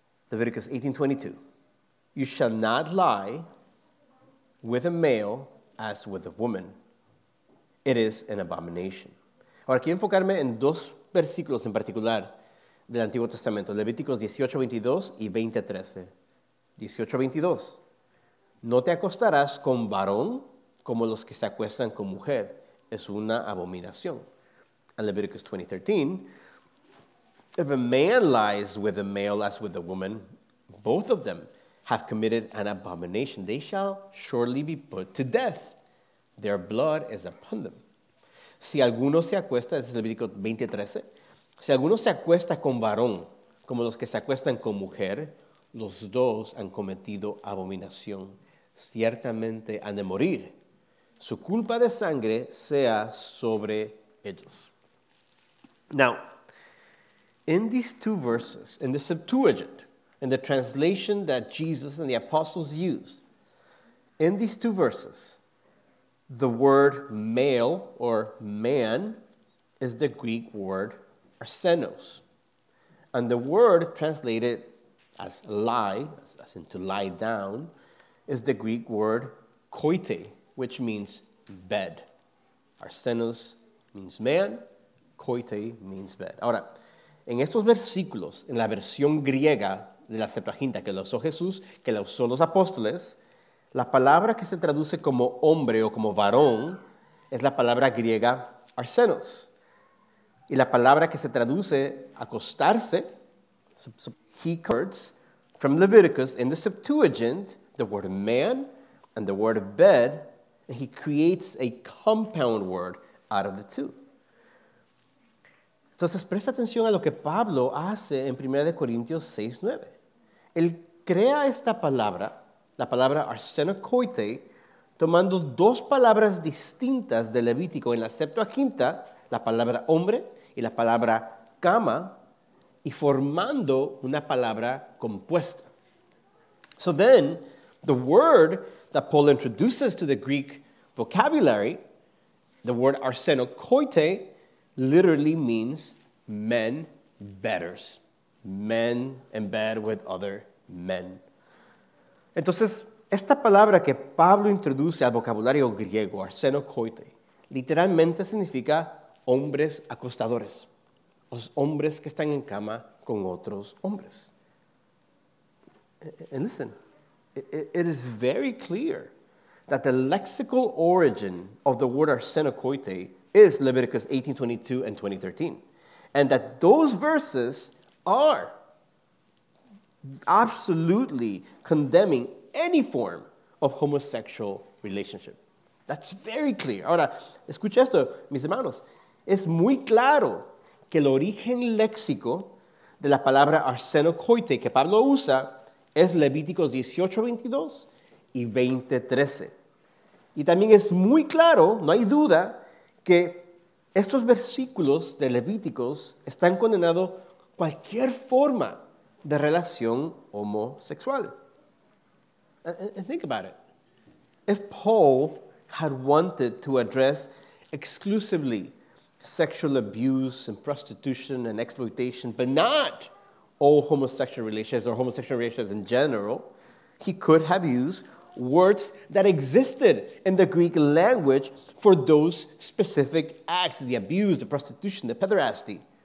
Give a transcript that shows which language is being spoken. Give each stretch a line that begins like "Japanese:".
English: Leviticus 18:22. You shall not lie with a male as with a woman. It is an abomination.
Spanish: Ahora quiero enfocarme en dos versículos en particular del Antiguo Testamento, Levíticos 18:22 y 20:13. 18:22. No te acostarás con varón como los que se acuestan con mujer. Es una abominación.
English: And Leviticus 20:13. If a man lies with a male as with a woman, both of them have committed an abomination. They shall surely be put to death. Their blood is upon them.
Spanish: Si alguno se acuesta, es Levítico 20:13, si alguno se acuesta con varón, como los que se acuestan con mujer, los dos han cometido abominación. Ciertamente han de morir. Su culpa de sangre sea sobre ellos.
English: Now, in these two verses, in the Septuagint, in the translation that Jesus and the apostles used, in these two verses, the word male or man is the Greek word arsenos. And the word translated as lie, as in to lie down, is the Greek word koite, which means bed. Arsenos means man, koite means bed.
Spanish: Ahora, en estos versículos, en la versión griega de la Septuaginta que la usó Jesús, que la usó los apóstoles, la palabra que se traduce como hombre o como varón es la palabra griega arsenos. Y la palabra que se traduce acostarse,
English: he quotes from Leviticus in the Septuagint, the word man and the word bed, and he creates a compound word out of the two.
Spanish: Entonces, presta atención a lo que Pablo hace en 1 Corintios 6, 9. Él crea esta palabra, la palabra arsenokoite, tomando dos palabras distintas de Levítico en la Septuaginta, la palabra hombre y la palabra cama, y formando una palabra compuesta.
English: So then, the word that Paul introduces to the Greek vocabulary, the word arsenokoite, literally means men bedders, men in bed with other men.
Spanish: Entonces, esta palabra que Pablo introduce al vocabulario griego, arsenokoite, literalmente significa hombres acostadores, los hombres que están en cama con otros hombres.
English: And listen, it is very clear that the lexical origin of the word arsenokoite is Leviticus 18:22 and 20:13, and that those verses are absolutely condemning any form of homosexual relationship. That's very clear.
Spanish: Ahora, escucha esto, mis hermanos. Es muy claro que el origen léxico de la palabra arsenokoite que Pablo usa es Levíticos 18:22 y 20:13. Y también es muy claro, no hay duda, que estos versículos de Levíticos están condenando cualquier forma de relación homosexual.
English: And think about it. If Paul had wanted to address exclusively sexual abuse and prostitution and exploitation, but not all homosexual relations or homosexual relations in general, he could have used words that existed in the Greek language for those specific acts, the abuse, the prostitution, the pederasty.